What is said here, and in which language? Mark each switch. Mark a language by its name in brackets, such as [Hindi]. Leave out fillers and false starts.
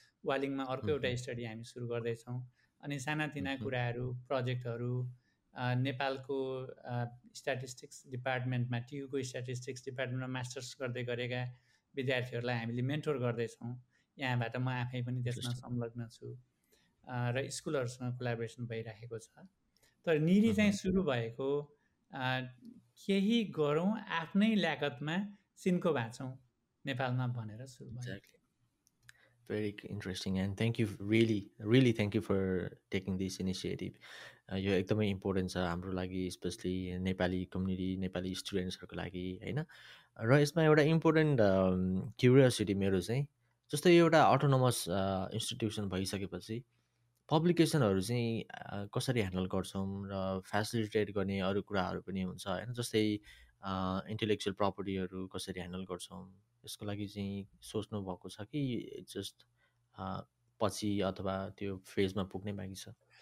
[Nepali] वालिङमा अर्को एउटा स्टडी हामी सुरु गर्दैछौँ. अनि सानातिना कुराहरू, प्रोजेक्टहरू नेपालको स्ट्याटिस्टिक्स डिपार्टमेन्टमा, टियुको स्ट्याटिस्टिक्स डिपार्टमेन्टमा मास्टर्स गर्दै गरेका विद्यार्थीहरूलाई हामीले मेन्टोर गर्दैछौँ. यहाँबाट म आफै पनि त्यसमा संलग्न छु र स्कुलहरूसँग कोलाबोरेसन भइरहेको छ. तर निरी चाहिँ सुरु भएको, केही गरौँ आफ्नै ल्यागतमा सिन्को भाँचौँ नेपालमा भनेर सुरु भयो. [English] Very interesting, and thank you, really, really thank you for taking this initiative. [Nepali] यो एकदमै इम्पोर्टेन्ट छ हाम्रो लागि, स्पेसली नेपाली कम्युनिटी, नेपाली स्टुडेन्ट्सहरूको लागि होइन. र यसमा एउटा इम्पोर्टेन्ट क्युरियोसिटी मेरो चाहिँ, जस्तै एउटा अटोनोमस इन्स्टिट्युसन भइसकेपछि पब्लिकेसनहरू चाहिँ कसरी ह्यान्डल गर्छौँ र फेसिलिटेट गर्ने अरू कुराहरू पनि हुन्छ होइन, जस्तै इन्टेलेक्चुअल प्रपर्टीहरू कसरी ह्यान्डल गर्छौँ, यसको लागि चाहिँ सोच्नु भएको छ कि जस्ट पछि अथवा त्यो फेजमा पुग्नै बाँकी छ?